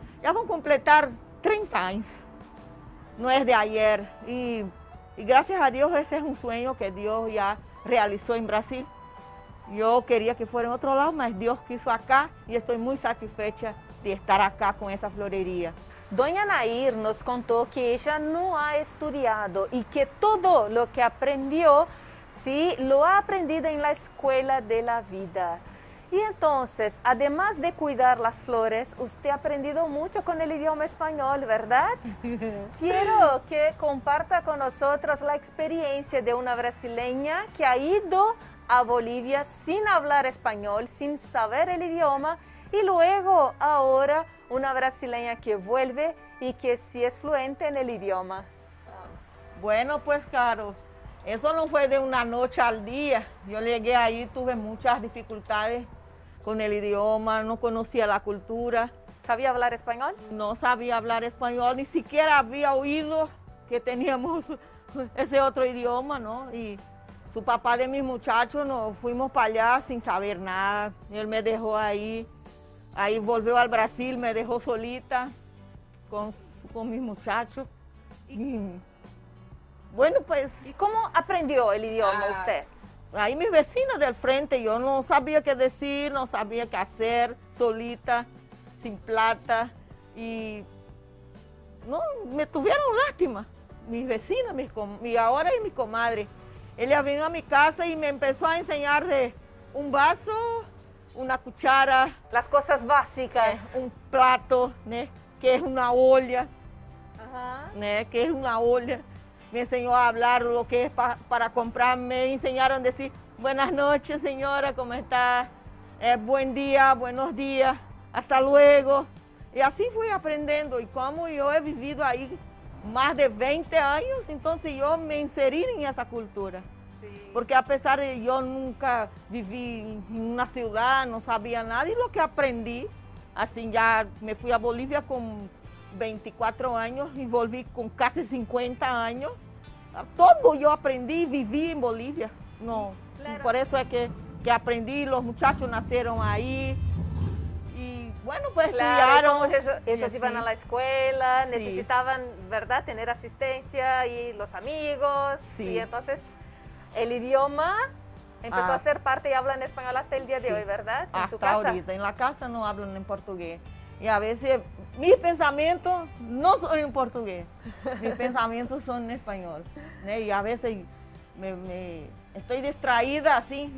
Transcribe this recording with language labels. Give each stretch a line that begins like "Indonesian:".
Portuguese: Já vão completar 30 anos. Não é
Spanish: de ayer.
Portuguese: E graças a Deus, esse é um sonho que Deus já realizou em Brasil. Eu queria que fosse em outro lado, mas Deus quis acá e estou muito satisfeita de estar acá com essa floreria.
Spanish: Doña Nair nos contou que ella no ha estudiado y que todo lo que aprendió, sí, lo ha aprendido en la escuela de la vida. Y entonces, además de cuidar las flores, usted ha aprendido mucho con el idioma español, ¿verdad? Quiero que comparta con nosotros la experiencia de una brasileña que ha ido a Bolivia sin hablar español, sin saber el idioma, y luego, ahora, una brasileña que vuelve y que sí es fluente en el idioma. Bueno, pues claro, eso no fue de una noche al día. Yo llegué ahí, tuve muchas dificultades con el idioma, no conocía la cultura. ¿Sabía hablar español? No sabía hablar español, ni siquiera había oído que teníamos ese otro idioma, ¿no? Y su papá de mis muchachos, nos fuimos para allá sin saber nada. Él me dejó ahí.
Portuguese: Aí voltou ao Brasil, me deixou solita com meus muchachos.
Spanish: Bueno, pues.
Portuguese: E como aprendeu o idioma você? Aí, meus
Spanish: vecinos del frente,
Portuguese: eu não sabia o que dizer, não sabia o que fazer, solita, sem plata. E. Não, me tiveram lástima, meus vecinos, e agora é minha comadre. Ele veio a minha casa e me começou a ensinar de um vaso. Uma cuchara. As coisas básicas. Um plato, né? Que é uma olha. Né? Que é uma olha. Me ensinou a falar o que é para comprar. Me ensinaram a dizer:
Spanish: Buenas noches,
Portuguese: senhora, como está?
Spanish: Buen dia, buenos dias, hasta luego.
Portuguese: E assim fui aprendendo. E como eu he vivido aí mais de 20 anos, então eu me inseri em essa cultura. Porque apesar de eu nunca vivi em uma ciudad, não sabia nada, e o que aprendi, assim, já me fui a Bolívia com 24 anos e volví com quase 50 anos. Todo eu aprendi e vivi em Bolívia. Não. Claro. Por isso é que aprendi, os muchachos nasceram aí.
Spanish: E, bueno, pues claro,
Portuguese: estudaram. Eles iam à escola, sí. Necessitavam, verdade, ter assistência e os amigos. Sí. E então.
Spanish: El idioma empezó a ser parte y hablan español hasta el día de hoy, ¿verdad? En hasta su casa. Ahorita. En la casa no hablan en portugués. Y a veces mis pensamientos no son en portugués. Mis pensamientos son en español. ¿Eh? Y a veces me estoy distraída así.